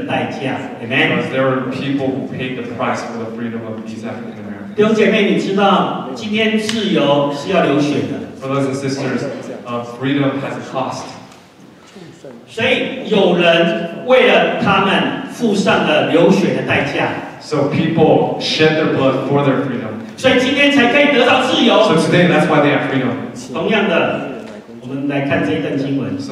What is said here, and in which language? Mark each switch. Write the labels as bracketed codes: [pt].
[en] Because there are people who paid the price for the freedom of these African Americans. [zh] 弟兄姐妹，你知道今天自由是要流血的。 [en] Brothers and sisters, freedom has a cost. [zh] 所以有人为了他们付上了流血的代价。 [en] So people shed their blood for their freedom. [zh] 所以今天才可以得到自由。 [en] So today, that's why they have freedom. [zh] 同样的，我们来看这一段经文。 [en] So